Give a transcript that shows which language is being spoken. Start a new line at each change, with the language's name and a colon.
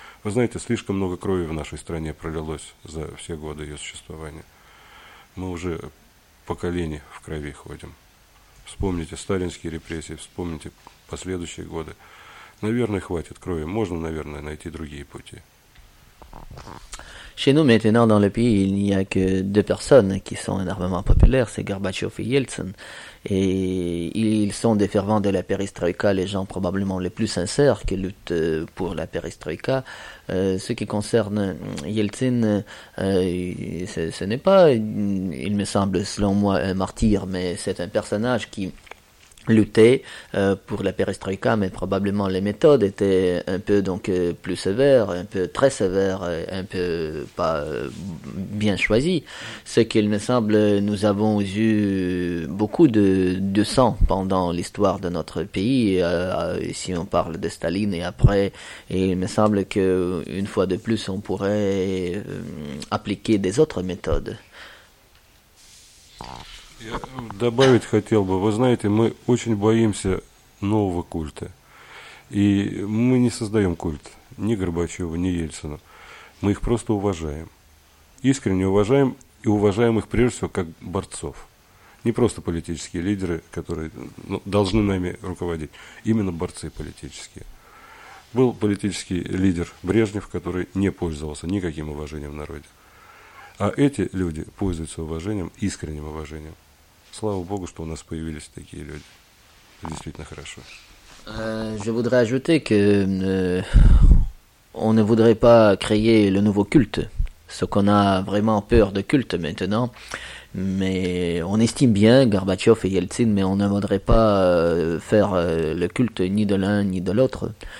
Russian: Вы знаете, слишком много крови в нашей стране пролилось за все годы ее существования. Мы уже поколение в крови ходим. Вспомните сталинские репрессии, вспомните последующие годы. Наверное, хватит крови. Можно, наверное, найти другие пути.
French: Chez nous, maintenant, dans le pays, il n'y a que deux personnes qui sont énormément populaires, c'est Gorbatchev et Yeltsin. Et ils sont des fervents de la perestroïka, les gens probablement les plus sincères qui luttent pour la perestroïka. Ce qui concerne Yeltsin, ce n'est pas, il me semble, selon moi, un martyr, mais c'est un personnage qui... lutter pour la perestroïka, mais probablement les méthodes étaient un peu donc plus sévères, un peu très sévères, un peu pas bien choisies. Ce qu'il me semble, nous avons eu beaucoup de sang pendant l'histoire de notre pays, si on parle de Staline et après, et il me semble qu'une fois de plus, on pourrait appliquer des autres méthodes.
Russian: Я добавить хотел бы, вы знаете, мы очень боимся нового культа, и мы не создаем культ ни Горбачева, ни Ельцина, мы их просто уважаем, искренне уважаем, и уважаем их прежде всего как борцов, не просто политические лидеры, которые должны нами руководить, именно борцы политические. Был политический лидер Брежнев, который не пользовался никаким уважением в народе. А эти люди пользуются уважением, искренним уважением. Слава Богу, что у нас появились такие люди. Это действительно хорошо.
French: Je voudrais ajouter que on ne voudrait pas créer le nouveau culte, ce qu'on a vraiment peur de culte maintenant. Mais on estime bien Gorbatchev et Yeltsin, mais on ne voudrait pas faire le culte ni de l'un ni de l'autre.